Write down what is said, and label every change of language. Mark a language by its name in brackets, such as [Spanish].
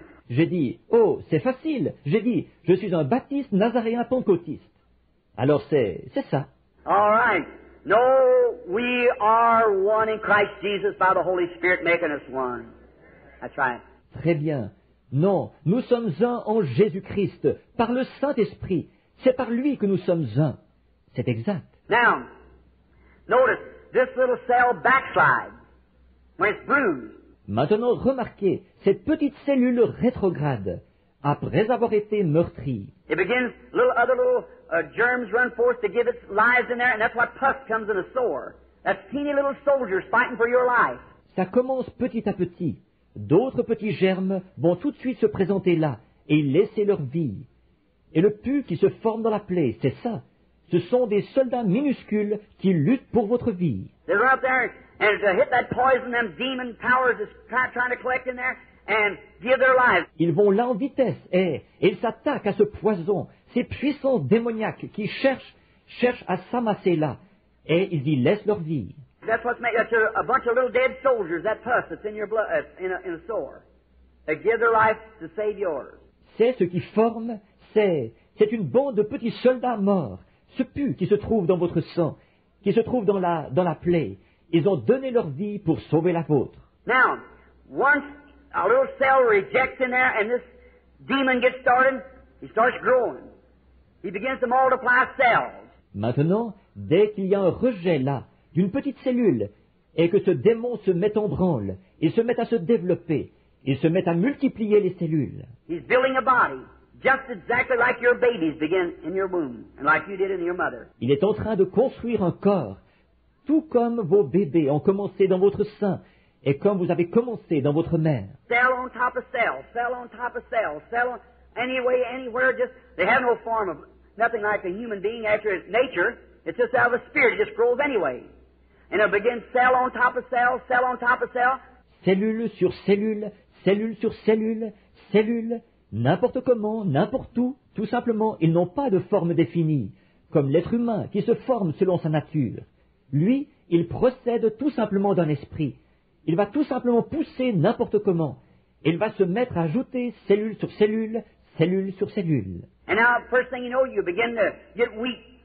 [French] J'ai dit, oh, c'est facile. J'ai dit, je suis un baptiste nazaréen pentecôtiste. Alors c'est ça. [English] All right. No, we are one in Christ Jesus by the Holy Spirit making us one. That's right. [French] Très bien. Non, nous sommes un en Jésus-Christ, par le Saint-Esprit. C'est par lui que nous sommes un. C'est exact. [English] Now, notice, this little cell backslides when it's bruised. [French] Maintenant, remarquez, cette petite cellule rétrograde, après avoir été meurtrie. [English] It begins, other little germs run forth to give its lives in there, and that's why pus comes in a sore. That's teeny little soldiers fighting for your life. [French] Ça commence petit à petit. D'autres petits germes vont tout de suite se présenter là et laisser leur vie. Et le pus qui se forme dans la plaie, c'est ça. Ce sont des soldats minuscules qui luttent pour votre vie. [English] They're out there and to hit that poison, them demon powers is trying to collect in there and give their lives. [French] Ils vont là en vitesse et ils s'attaquent à ce poison, ces puissants démoniaques qui cherchent à s'amasser là et ils y laissent leur vie. [English] That's what's made. That's a bunch of little dead soldiers. That pus that's in your blood, in a sore. They give their life to save yours. [French] C'est ce qui forme. C'est une bande de petits soldats morts. Ce pu qui se trouve dans votre sang, qui se trouve dans la plaie. Ils ont donné leur vie pour sauver la vôtre. [English] Now, once a little cell rejects in there, and this demon gets started, he starts growing. He begins to multiply cells. [French] Maintenant, dès qu'il y a un rejet là. D'une petite cellule, et que ce démon se met en branle, il se met à se développer, il se met à multiplier les cellules. [English] He's building a body, just exactly like your babies begin in your womb, and like you did in your mother. [French] Il est en train de construire un corps, tout comme vos bébés ont commencé dans votre sein, et comme vous avez commencé dans votre mère. [English] Cell on top of cell, cell on top of cell, cell on, any way, anywhere, just, they have no form of, nothing like a human being after its nature. It's just out of a spirit. It just grows anyway. And it begins cell on top of cell, cell on top of cell. [French] Cellule sur cellule, cellule sur cellule, cellule, n'importe comment, n'importe où. Tout simplement, ils n'ont pas de forme définie, comme l'être humain qui se forme selon sa nature. Lui, il procède tout simplement d'un esprit. Il va tout simplement pousser n'importe comment. Il va se mettre à ajouter cellule sur cellule, cellule sur cellule. [English] And now, first thing you know, you begin to get weak.